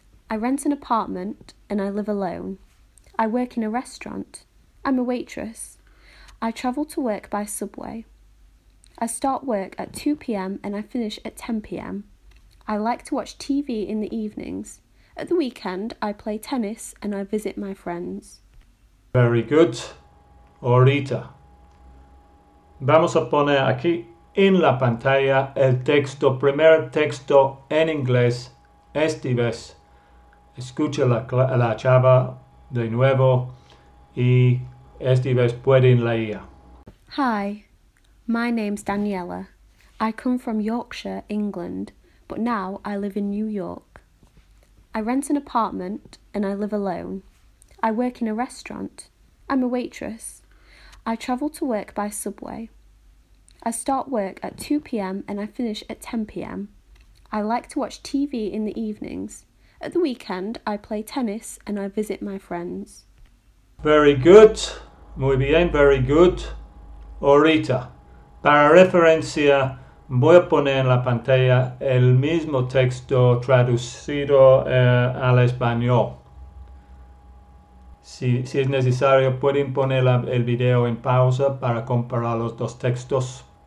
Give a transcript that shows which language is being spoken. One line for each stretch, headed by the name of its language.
English: I rent an apartment and I live alone. I work in a restaurant. I'm a waitress. I travel to work by subway. I start work at 2 p.m. and I finish at 10 p.m. I like to watch TV in the evenings. At the weekend, I play tennis and I visit my friends. Very good.
Spanish: Ahorita. Vamos a poner aquí en la pantalla el texto, primer texto en inglés, esta vez. Escucha a la chava de nuevo Y esta vez pueden leer.
English: Hi, my name's Daniela. I come from Yorkshire, England, but now I live in New York. I rent an apartment and I live alone. I work in a restaurant. I'm a waitress. I travel to work by subway. I start work at 2 p.m. and I finish at 10 p.m. I like to watch TV in the evenings. At the weekend, I play tennis and I visit my friends. Very good,
Spanish: muy bien,
English: very good.
Spanish: Ahorita, para referencia, voy a poner en la pantalla el mismo texto traducido al español. Si es necesario, pueden poner el video en pausa para comparar los dos textos.